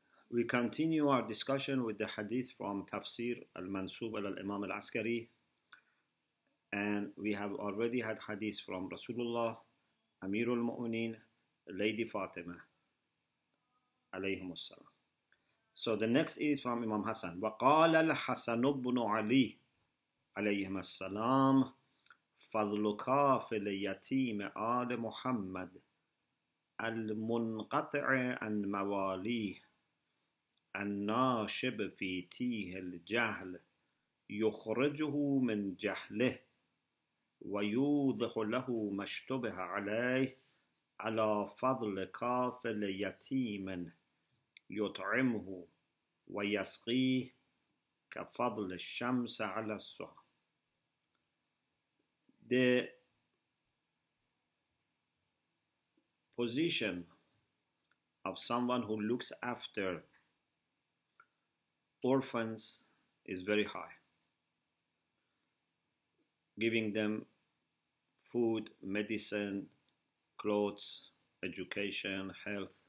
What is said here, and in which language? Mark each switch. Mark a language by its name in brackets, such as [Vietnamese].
[English] We continue our discussion with the hadith from tafsir al-mansub ila al-imam al-askari, and we have already had hadith from rasulullah amir al-mu'minin lady fatima alayhim assalam. So the next is from imam hasan. [Arabic] وقال الحسن بن علي عليهما السلام فضل كافل يتيم آل محمد المنقطع عن مواليه الناشب في تيه الجهل يخرجه من جهله ويوضح له ما اشتبه عليه على فضل كافل يتيم يطعمه ويسقيه كفضل الشمس على السهم. [English] The position of someone who looks after orphans is very high, giving them food, medicine, clothes, education, health.